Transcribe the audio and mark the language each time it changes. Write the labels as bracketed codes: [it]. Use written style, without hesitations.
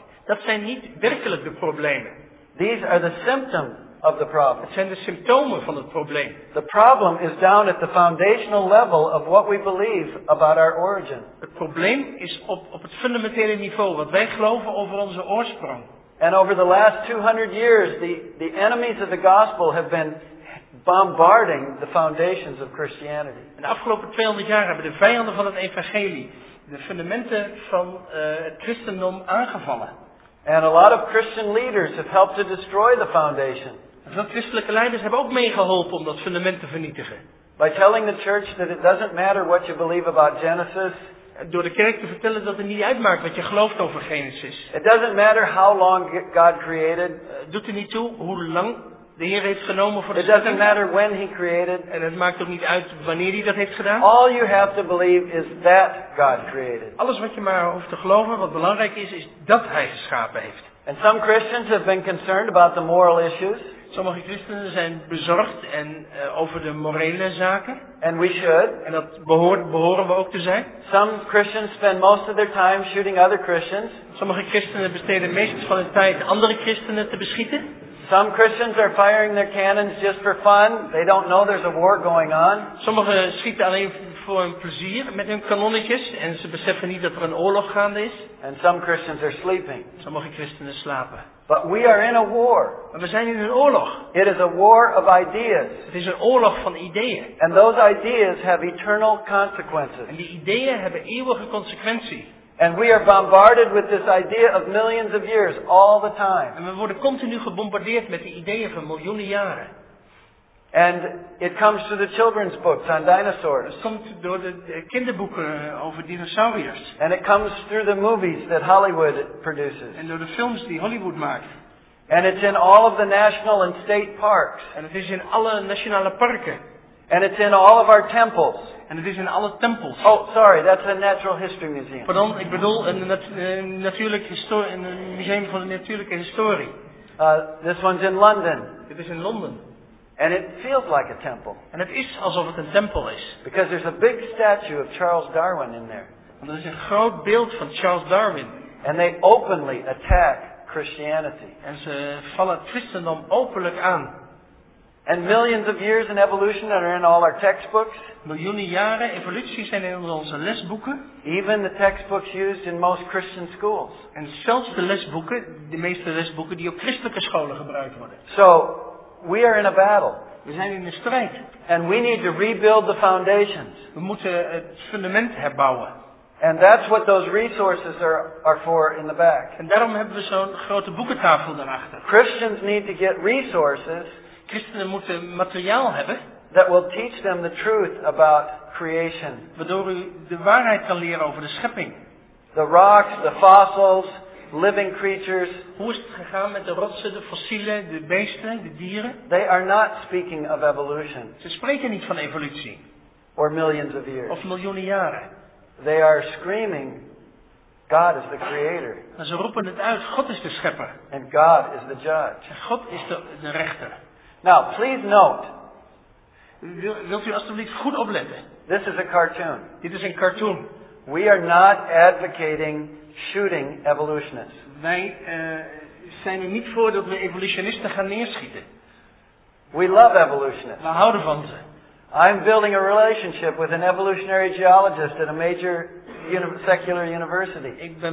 [nl] Dat zijn niet werkelijk de problemen. [en] These are the symptom of the problem. [nl] Het zijn de symptomen van het probleem. [en] The problem is down at the foundational level of what we believe about our origin. [nl] Het probleem is op het fundamentele niveau wat wij geloven over onze oorsprong. [en] And over the last 200 years, the enemies of the gospel have been bombarding the foundations of Christianity. [nl] In de afgelopen 200 jaar hebben de vijanden van het evangelie de fundamenten van het christendom aangevallen. [en] And a lot of Christian leaders have helped to destroy the foundation. [nl] Veel christelijke leiders hebben ook meegeholpen om dat fundament te vernietigen. [en] By telling the church that it doesn't matter what you believe about Genesis. [nl] Door de kerk te vertellen dat het niet uitmaakt wat je gelooft over Genesis. [en] It doesn't matter how long God created. [nl] Doet er niet toe hoe lang de Heer heeft genomen voor de [en] schepping. It doesn't matter when he created. [nl] En het maakt ook niet uit wanneer hij dat heeft gedaan. [en] All you have to believe is that God created. [nl] Alles wat je maar hoeft te geloven, wat belangrijk is, is dat hij geschapen heeft. [en] And some Christians have been concerned about the moral issues. [nl] Sommige christenen zijn bezorgd en over de morele zaken. [en] And we should. [nl] En dat behoren we ook te zijn. [en] Some Christians spend most of their time shooting other Christians. [nl] Sommige christenen besteden meestal van hun tijd andere christenen te beschieten. [en] Some Christians are firing their cannons just for fun. They don't know there's a war going on. [nl] Sommigen schieten alleen voor hun plezier met hun kanonnetjes en ze beseffen niet dat er een oorlog gaande is. [en] And some Christians are sleeping. [nl] Sommige christenen slapen. [en] But we are in a war. [nl] Maar we zijn in een oorlog. [en] It is a war of ideas. [nl] Het is een oorlog van ideeën. [en] And those ideas have eternal consequences. [nl] En die ideeën hebben eeuwige consequenties. [en] And we are bombarded with this idea of millions of years all the time. [nl] En we worden continu gebombardeerd met de ideeën van miljoenen jaren. [en] And it comes to the children's books on dinosaurs. [nl] Het komt door de kinderboeken over dinosauriërs. [en] And it comes through the movies that Hollywood produces. [nl] En door de films die Hollywood maakt. [en] And it's in all of the national and state parks. [nl] En het is in alle nationale parken. [en] And it's in all of our temples. [nl] En het is in alle tempels. [en] Oh, sorry, that's a natural history museum. [nl] Pardon, ik bedoel een museum van de natuurlijke historie. [en] This one's in London. [nl] Dit is in Londen. [en] And it feels like a temple. [nl] En het is alsof het een tempel is. [en] Because there's a big statue of Charles Darwin in there. [nl] Want er is een groot beeld van Charles Darwin. [en] And they openly attack Christianity. [nl] En ze vallen het christendom openlijk aan. [en] And millions of years in evolution that are in all our textbooks. [nl] Miljoenen jaren evolutie zijn in onze lesboeken. [en] Even the textbooks used in most Christian schools. [nl] En zelfs de lesboeken, de meeste lesboeken die op christelijke scholen gebruikt worden. [en] So, we are in a battle. [nl] We zijn in een strijd. [en] And we need to rebuild the foundations. [nl] We moeten het fundament herbouwen. [en] And that's what those resources are for in the back. [nl] En daarom hebben we zo'n grote boekentafel daarachter. [en] Christians need to get resources. [nl] Christenen moeten materiaal hebben. [en] that will teach them the truth about creation. [nl] Waardoor u de waarheid kan leren over de schepping. [en] The rocks, the fossils, living creatures. [nl] Hoe is het gegaan met de rotsen, de fossielen, de beesten, de dieren? [en] They are not speaking of evolution. [nl] Ze spreken niet van evolutie. [en] Or millions of years. [nl] Of miljoenen jaren. [en] They are screaming, God is the creator. [nl] En ze roepen het uit, God is de schepper. [en] And God is the judge. [nl] En God is de rechter. [en] Now, please note. [nl] Wilt u alstublieft goed opletten? [en] This is a cartoon. [nl] Dit is een cartoon. [en] We are not advocating shooting evolutionists. [nl] Wij zijn er niet voor dat we evolutionisten gaan neerschieten. [en] We love evolutionists. [nl] We houden van ze. [en] I'm building a relationship with an evolutionary geologist at a major secular university.